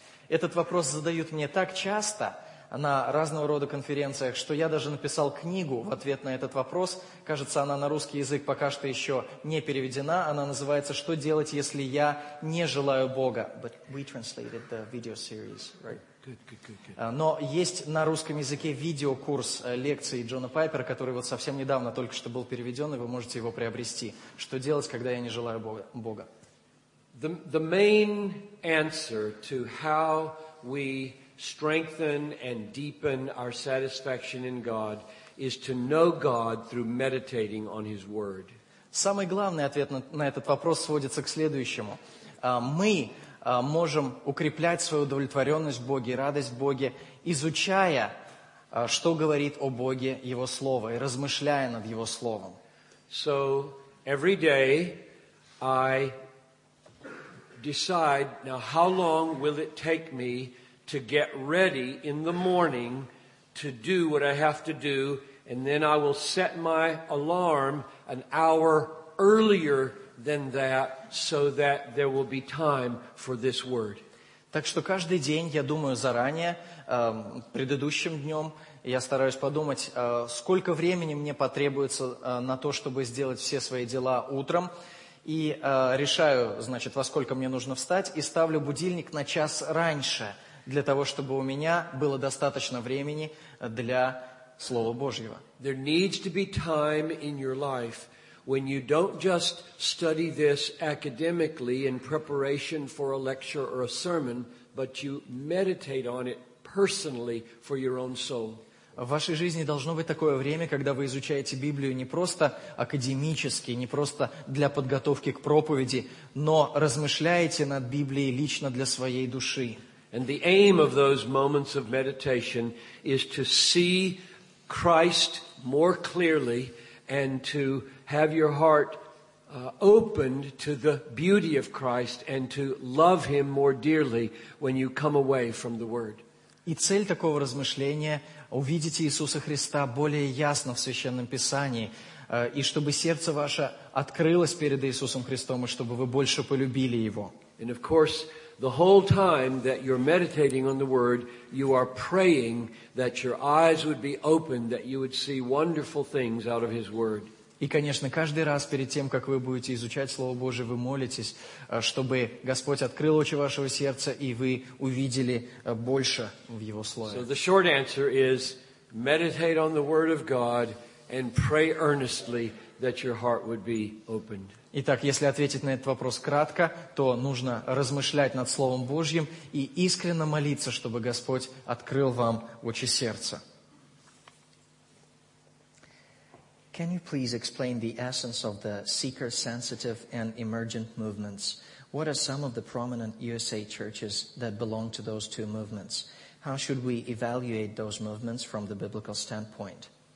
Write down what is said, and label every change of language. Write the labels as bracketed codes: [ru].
[ru] Этот вопрос задают мне так часто, на разного рода конференциях, что я даже написал книгу в ответ на этот вопрос. Кажется, она на русский язык пока что еще не переведена. Она называется «Что делать, если я не желаю Бога?» [en] But we translated the video series, right? Good. [ru] Но есть на русском языке видеокурс лекции Джона Пайпера, который вот совсем недавно только что был переведен, и вы можете его приобрести. «Что делать, когда я не желаю Бога?» [en] The main answer to how we strengthen and deepen our satisfaction in God is to know God through meditating on His Word. [ru] Самый главный ответ на этот вопрос сводится к следующему. Мы можем укреплять свою удовлетворенность в Боге, радость в Боге, изучая, что говорит о Боге Его Слово и размышляя над Его Словом. [en] So every day I decide, now how long will it take me to get ready in the morning to do what I have to do, and then I will set my alarm an hour earlier than that so that there will be time for this word. [ru] Так что каждый день я думаю заранее, предыдущим днем я стараюсь подумать, сколько времени мне потребуется на то, чтобы сделать все свои дела утром. И решаю, значит, во сколько мне нужно встать, и ставлю будильник на час раньше, для того, чтобы у меня было достаточно времени для Слова Божьего. [en] There needs to be time in your life when you don't just study this academically in preparation for a lecture or a sermon, but you meditate on it personally for your own soul. [ru] В вашей жизни должно быть такое время, когда вы изучаете Библию не просто академически, не просто для подготовки к проповеди, но размышляете над Библией лично для своей души. [en] And the aim of those moments of meditation is to see Christ more clearly and to have your heart opened to the beauty of Christ and to love Him more dearly when you come away from the Word. [ru] И цель такого размышления – увидеть Иисуса Христа более ясно в Священном Писании, и чтобы сердце ваше открылось перед Иисусом Христом, и чтобы вы больше полюбили Его. [en] And of course, the whole time that you're meditating on the Word, you are praying that your eyes would be opened, that you would see wonderful things out of His Word. [ru] И, конечно, каждый раз перед тем, как вы будете изучать Слово Божие, вы молитесь, чтобы Господь открыл очи вашего сердца, и вы увидели больше в Его Слове. [en] So the short answer is, meditate on the Word of God and pray earnestly that your heart would be opened. [ru] Итак, если ответить на этот вопрос кратко, то нужно размышлять над Словом Божьим и искренне молиться, чтобы Господь открыл вам очи сердца. [en] Can you please explain the essence of the seeker-sensitive and emergent movements? What are some of the prominent USA churches that belong to those two movements? How should we evaluate those movements from the biblical standpoint?